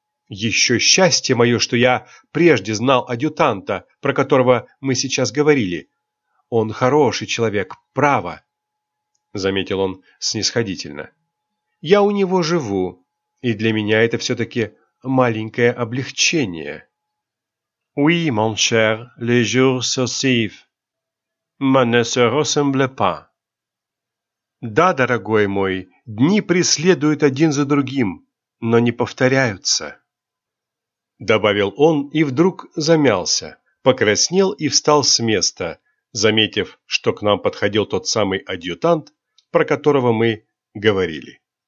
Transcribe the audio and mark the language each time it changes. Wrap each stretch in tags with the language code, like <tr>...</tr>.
<ru>Еще счастье мое, что я прежде знал адъютанта, про которого мы сейчас говорили. Он хороший человек, право», — заметил он снисходительно. «Я у него живу, и для меня это все-таки маленькое облегчение».</ru> <fr>«Oui, mon cher, les jours se suivent, mais ne se ressemblent pas».</fr> <ru>«Да, дорогой мой, дни преследуют один за другим, но не повторяются», — добавил он и вдруг замялся, покраснел и встал с места, заметив, что к нам подходил тот самый адъютант, про которого мы говорили.</ru>